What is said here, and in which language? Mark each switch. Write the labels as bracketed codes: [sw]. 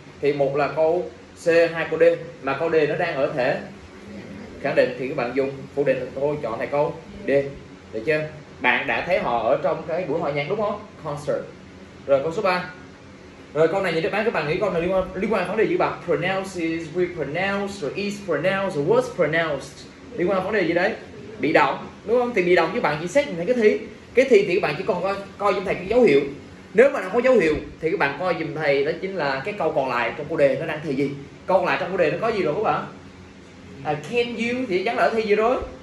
[vi] Thì một là câu C, hai câu D. Mà câu D nó đang ở thể khẳng định thì các bạn dùng phủ định thì thôi, chọn thầy câu D. Được chưa? Bạn đã thấy họ ở trong cái buổi hòa nhạc đúng không? Concert. Rồi câu số 3. Rồi câu này nhìn đáp án các bạn nghĩ câu này liên quan vấn đề gì bạn? [en] Pronounce is repronounced, or is pronounced, or was pronounced. [vi] Liên quan vấn đề gì đấy? Bị động đúng không? Thì bị động các bạn chỉ xét thấy cái thi thì các bạn chỉ còn coi giùm thầy cái dấu hiệu. Nếu mà nó có dấu hiệu thì các bạn coi giùm thầy đó chính là cái câu còn lại trong câu đề nó đang thi gì. Câu còn lại trong câu đề nó có gì rồi các bạn? [en] Can you [vi] thì chắc là thi gì rồi.